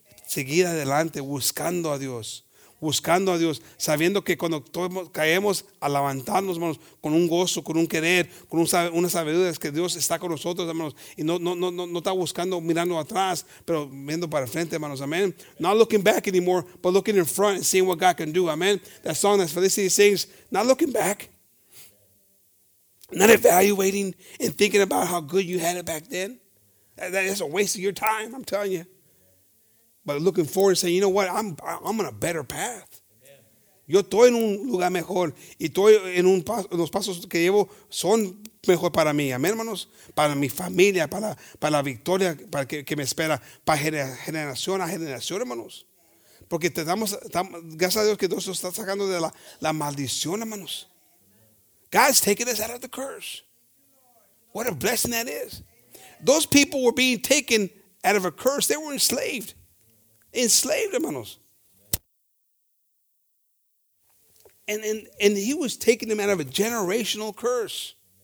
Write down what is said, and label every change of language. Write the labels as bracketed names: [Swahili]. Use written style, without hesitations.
[Spanish] Seguir adelante, buscando a Dios. Buscando a Dios, sabiendo que cuando todos caemos a levantarnos, hermanos, con un gozo, con un querer, con una sabiduría, es que Dios está con nosotros, hermanos. Y no está buscando, mirando atrás, pero viendo para el frente, hermanos. [English] Amen. Not looking back anymore, but looking in front and seeing what God can do. Amen. That song that Felicity sings, not looking back. Not evaluating and thinking about how good you had it back then. That's a waste of your time, I'm telling you. But looking forward and saying, you know what, I'm on a better path. [Spanish] Amen. Yo estoy en un lugar mejor. Y estoy en un paso, los pasos que llevo son mejor para mí. Amén, hermanos. Para mi familia, para la victoria para que me espera. Para generación a generación, hermanos. Porque gracias a Dios que Dios nos está sacando de la maldición, hermanos. [English] God's taking us out of the curse. What a blessing that is. Those people were being taken out of a curse. They were enslaved. Enslaved, hermanos. And he was taking them out of a generational curse.